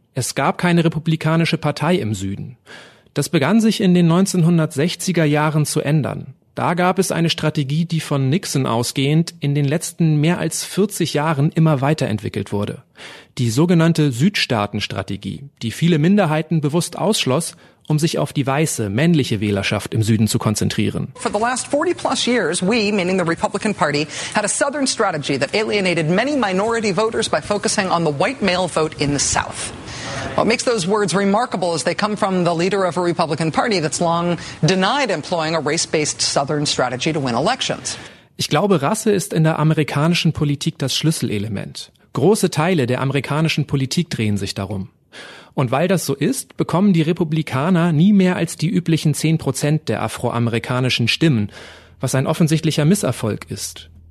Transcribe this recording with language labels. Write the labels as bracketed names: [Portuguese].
[German] Es gab keine republikanische Partei im Süden. Das begann sich in den 1960er Jahren zu ändern. Da gab es eine Strategie, die von Nixon ausgehend in den letzten mehr als 40 Jahren immer weiterentwickelt wurde. Die sogenannte Südstaatenstrategie, die viele Minderheiten bewusst ausschloss, um sich auf die weiße, männliche Wählerschaft im Süden zu konzentrieren. [English] For the last 40 plus years, we, meaning the Republican Party, had a southern strategy that alienated many minority voters by focusing on the white male vote in the south. What makes those words remarkable is they come from the leader of a Republican Party that's long denied employing a race-based southern strategy to win elections. [German] Ich glaube, Rasse ist in der amerikanischen Politik das Schlüsselelement. Große Teile der amerikanischen Politik drehen sich darum. Und weil das so ist, bekommen die Republikaner nie mehr als die üblichen 10% der afroamerikanischen Stimmen, was ein offensichtlicher Misserfolg ist.